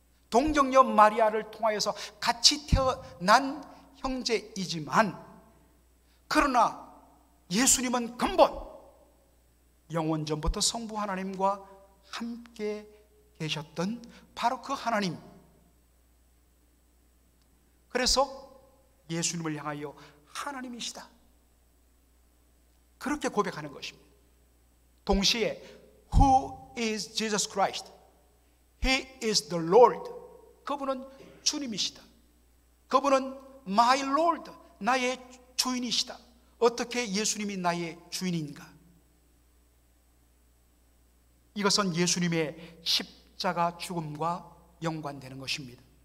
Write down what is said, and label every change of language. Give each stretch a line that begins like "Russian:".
Korean: 동정녀 마리아를 통하여서 같이 태어난 형제이지만 그러나 예수님은 근본 영원전부터 성부 하나님과 함께 계셨던 바로 그 하나님. 그래서 예수님을 향하여 하나님이시다 그렇게 고백하는 것입니다. 동시에
English: Who is Jesus Christ? He is the Lord.
Korean: 그분은 주님이시다. 그분은
English: My Lord,
Korean: 나의 주인이시다. 어떻게 예수님이 나의 주인인가? 이것은 예수님의 십자가 죽음과 연관되는 것입니다.